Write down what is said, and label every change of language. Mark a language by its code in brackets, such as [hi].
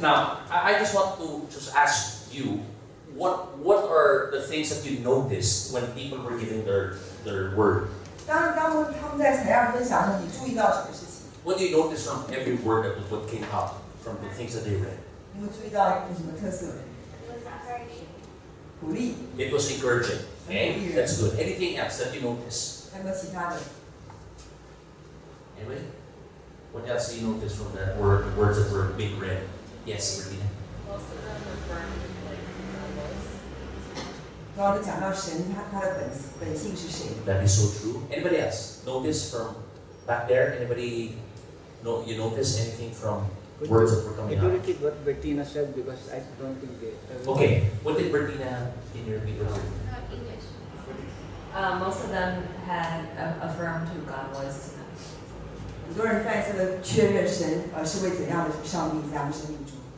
[en] Now, I just want to just ask you, what are the things that you noticed when people were giving their word? [zh] 当他们在采样分享的时候，你注意到什么事情？ [en] What do you notice from every word that what came up from the things that they read? [zh] 你会注意到有什么特色？ [en] It was encouraging. [zh] 鼓励。 [en] It was encouraging. Okay, that's good. Anything else that you notice? [zh] 还有其他的。 [en] Anyway, what else do you notice from that word, the words that were being read? Yes, Regina. Most of them affirmed like God. [zh] 然后就讲到神，他的本性是谁 [en] ？That is so true. Anybody else notice from back there? Anybody know you notice anything from? Words that were coming out. Could you repeat what Bertina said because I don't think they... Okay, what did Bertina in your video? Not English. Most of them had affirmed who God was to them. [zh] 很多人反复的确认神是为怎样的上帝在我们生命中。